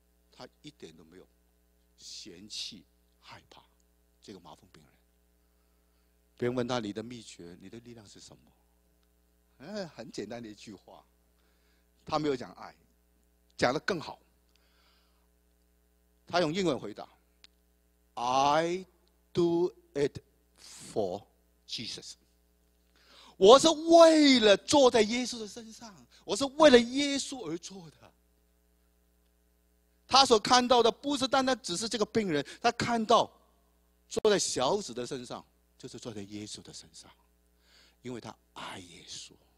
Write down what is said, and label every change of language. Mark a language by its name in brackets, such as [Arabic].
[Chinese] 他一点都没有嫌弃害怕，这个麻风病人。别人问他，你的秘诀，你的力量是什么？很简单的一句话，他没有讲爱，讲得更好。他用英文回答 [English] ：“I do it for Jesus。” [Chinese] 我是为了坐在耶稣的身上，我是为了耶稣而做的。他所看到的不是单单只是这个病人，他看到坐在小子的身上，就是坐在耶稣的身上，因为他爱耶稣。